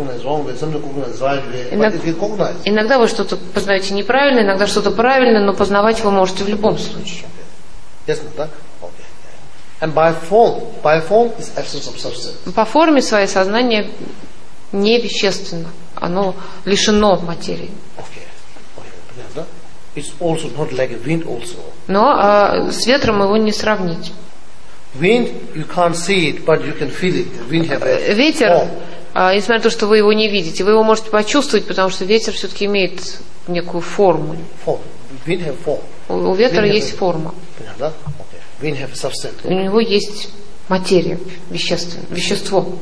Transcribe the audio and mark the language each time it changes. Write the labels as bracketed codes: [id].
[ru] Иногда вы что-то познаете неправильно, иногда что-то правильно, но познавать вы можете в любом случае. Ясно, да? [en] And by form is absence of substance. [ru] По форме свое сознание не вещественно, оно лишено материи. [en] Okay. It's also not like a wind also. [ru] Но с ветром его не сравнить. [en] Wind you can't see it, but you can feel it. Wind has a form. [ru] Ветер, несмотря на то, что вы его не видите, вы его можете почувствовать, потому что ветер все-таки имеет некую форму. [en] Form. Wind has a form. [ru] У ветра есть форма. [en] Wind have substance. [ru] У него есть материя, вещество.